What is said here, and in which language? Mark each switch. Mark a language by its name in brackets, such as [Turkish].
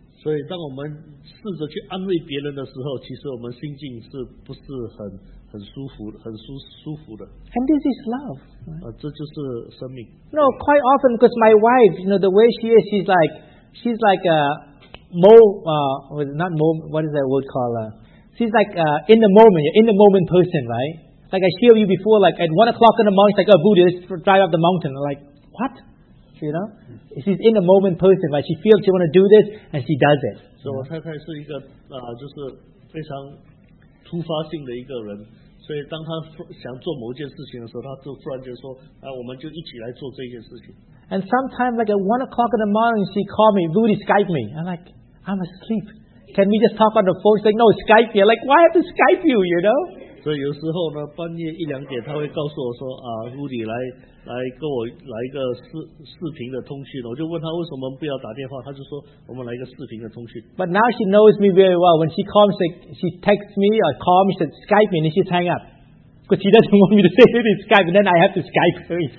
[Chinese] 所以当我们试着去安慰别人的时候，其实我们心境是不是很舒服的。 [English] And this is love. [Chinese] 这就是生命。 [English] No, quite often, because my wife, you know, the way she is, she's like a more, not more, what is that word called? She's like in the moment person, right? Like I hear you before, like at 1 o'clock in the morning, it's like a Buddhist drive up the mountain. Like, what? You know? She's in the moment person, right? She feels she wants to do this, and she does it. [Chinese] So 我太太是一个就是非常突发性的一个人。所以当他想做某件事情的时候，他就突然间说：“哎，我们就一起来做这件事情。” [English] And sometimes, like at 1 o'clock in the morning, she called me, Rudy, Skype me. I'm like, I'm asleep. Can we just talk on the phone? She's like, no, Skype me. I'm like, why have to Skype you? You know? [Chinese] 所以有时候呢，半夜一两点，他会告诉我说：“啊， Rudy, 来跟我来一个视频的通讯。”我就问他为什么不要打电话，他就说：“我们来一个视频的通讯。” [English] But now she knows me very well. When she calls, she texts me or calls me, she Skype me, and she hang up. Because she doesn't want me to say it in Skype, and then I have to Skype her.